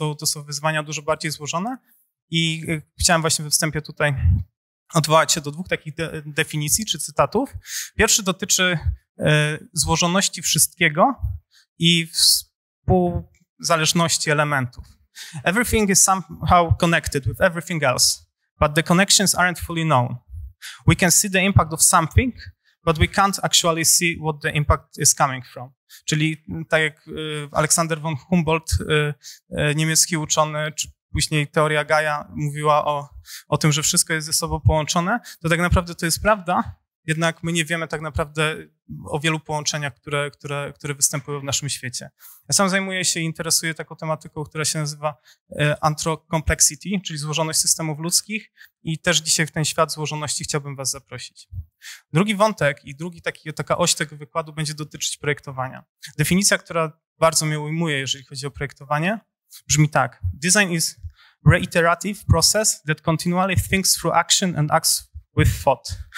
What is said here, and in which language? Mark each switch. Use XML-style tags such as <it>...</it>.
<pl>To są wyzwania dużo bardziej złożone i chciałem właśnie we wstępie tutaj odwołać się do dwóch takich definicji czy cytatów. Pierwszy dotyczy złożoności wszystkiego i współzależności elementów.</pl> <en>Everything is somehow connected with everything else, but the connections aren't fully known. We can see the impact of something, but we can't actually see what the impact is coming from.</en> <pl>Czyli tak jak Alexander von Humboldt, niemiecki uczony, czy później teoria Gaia mówiła o tym, że wszystko jest ze sobą połączone, to tak naprawdę to jest prawda, jednak my nie wiemy tak naprawdę o wielu połączeniach, które występują w naszym świecie. Ja sam zajmuję się i interesuję taką tematyką, która się nazywa anthrocomplexity, czyli złożoność systemów ludzkich i też dzisiaj w ten świat złożoności chciałbym was zaprosić. Drugi wątek i taka oś tego wykładu będzie dotyczyć projektowania. Definicja, która bardzo mnie ujmuje, jeżeli chodzi o projektowanie, brzmi tak.</pl> <en>Design is reiterative process that continually thinks through action and acts with thought.</en>